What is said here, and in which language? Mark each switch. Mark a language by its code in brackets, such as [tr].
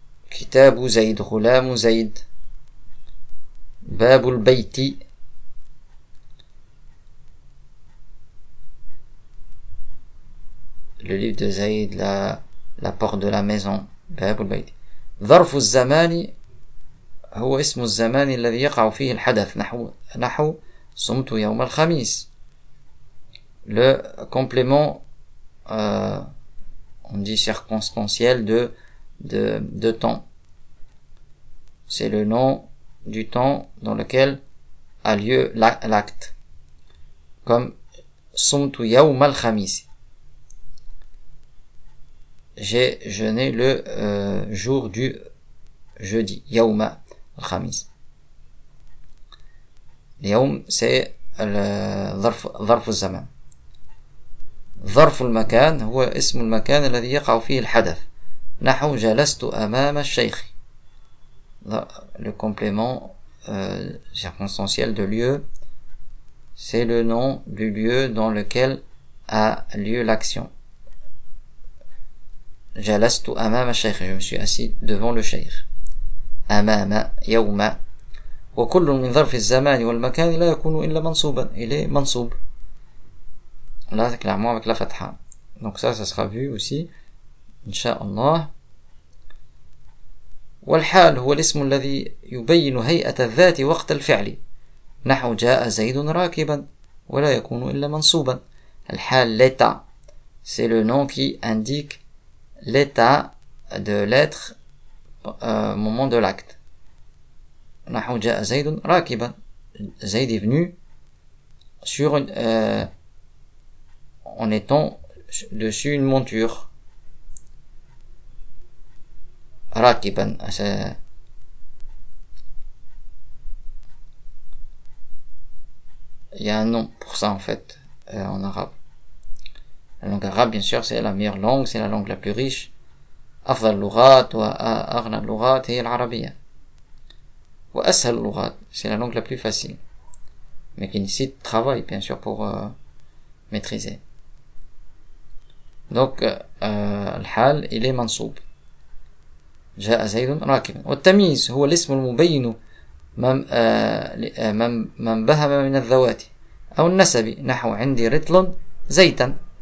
[ar] Kitab ou Zaid, Ghulam ou Zaid. Bab ou Baiti. [fr] Le livre de Zaid, la porte de la maison. [ar] Bab ou Baiti. ظرف الزمان هو اسم الزمان الذي يقع فيه الحدث نحو صمت يوم الخميس. [fr] Le complément on dit circonstanciel de temps, c'est le nom du temps dans lequel a lieu l'acte, comme [ar] صمت يوم الخميس, [fr] j'ai jeûné le jour du jeudi, [ar] yauma al-khamis. [fr] Yaum, c'est le ظرف الزمان. [ar] ظرف المكان هو اسم المكان الذي يقع فيه الحدث نحو جلست امام الشيخ. [fr] Le complément circonstanciel de lieu, c'est le nom du lieu dans lequel a lieu l'action. [ar] جلست امام الشيخ, [fr] je me suis assis devant le cheikh. [ar] امام يوم. وكل من ظرف الزمان والمكان لا يكون الا منصوبا, [fr] il est منصوب là clairement avec la fatha. Donc ça sera vu aussi ان شاء الله. [ar] والحال هو الاسم الذي يبين هيئه الذات وقت الفعل نحو جاء زيد راكبا ولا يكون الا منصوبا. [fr] الحال l'état, c'est le nom qui indique l'état de l'être au moment de l'acte. [ar] نحو جاء زيد راكبا. [fr] Zayd est venu sur une en étant dessus une monture. راكبا, il y a un nom pour ça en fait en arabe. La langue arabe, bien sûr, c'est la meilleure langue, c'est la langue la plus riche. [ar] أفضل اللغات وأغنى اللغات هي العربية. وأسهل اللغات, [fr] c'est la langue la plus facile. Mais qui nécessite travail, bien sûr, pour maîtriser. Donc, الحال, il est منصوب. [ar] جاء زيد راكبا. والتمييز هو الاسم المبين من بهم من الذوات أو النسب نحو عندي رطل زيتا.